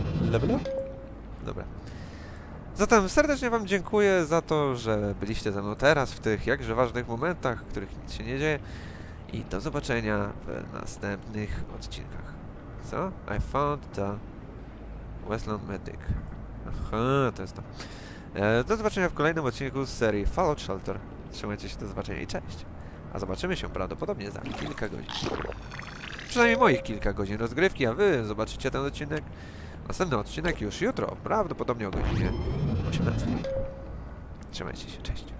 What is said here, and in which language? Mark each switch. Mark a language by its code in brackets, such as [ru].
[en] Level up? [pl] Dobra. Zatem serdecznie wam dziękuję za to, że byliście ze mną teraz, w tych jakże ważnych momentach, w których nic się nie dzieje. I do zobaczenia w następnych odcinkach. Co? [en] I found the Westland Medic. [pl] Aha, to jest to. Do zobaczenia w kolejnym odcinku z serii Fallout Shelter. Trzymajcie się, do zobaczenia i cześć. A zobaczymy się prawdopodobnie za kilka godzin. Przynajmniej moich kilka godzin rozgrywki, a wy zobaczycie ten odcinek. Następny odcinek już jutro, prawdopodobnie o godzinie 18. Trzymajcie się, cześć.